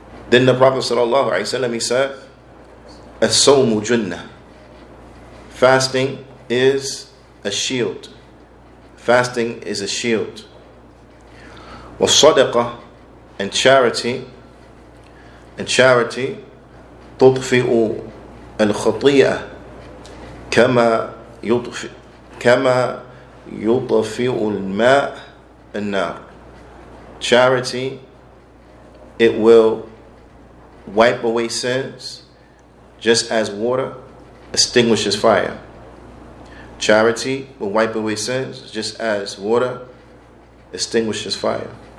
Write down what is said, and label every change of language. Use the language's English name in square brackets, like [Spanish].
[English] Then the Prophet صلى الله عليه وسلم, he said, [Arabic] أَسَوْمُ جُنَّةِ [English] Fasting is a shield. Fasting is a shield. [Arabic] وَالصَّدَقَةَ [English] and charity. And charity [Arabic] تُطْفِئُ الْخَطِيئَةَ كَمَا يُطْفِئُ الْمَاءَ النَّارَ. [English] Charity, it will wipe away sins just as water extinguishes fire. Charity will wipe away sins just as water extinguishes fire.